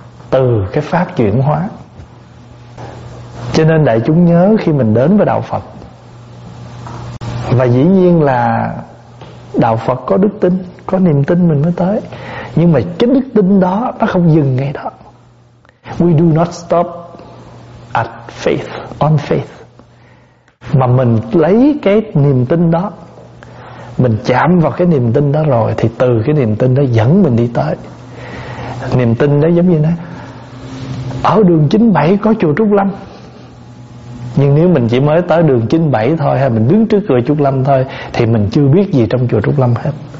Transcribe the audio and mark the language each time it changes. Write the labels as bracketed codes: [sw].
[vi] Từ cái pháp chuyển hóa. Cho nên đại chúng nhớ, khi mình đến với đạo Phật, và dĩ nhiên là đạo Phật có đức tin, có niềm tin mình mới tới. Nhưng mà chính đức tin đó nó không dừng ngay đó. [en] We do not stop at faith, on faith. [vi] Mà mình lấy cái niềm tin đó, mình chạm vào cái niềm tin đó rồi, thì từ cái niềm tin đó dẫn mình đi tới. Niềm tin đó giống như nói, ở đường 97 có chùa Trúc Lâm. Nhưng nếu mình chỉ mới tới đường 97 thôi, hay mình đứng trước cửa Trúc Lâm thôi, thì mình chưa biết gì trong chùa Trúc Lâm hết.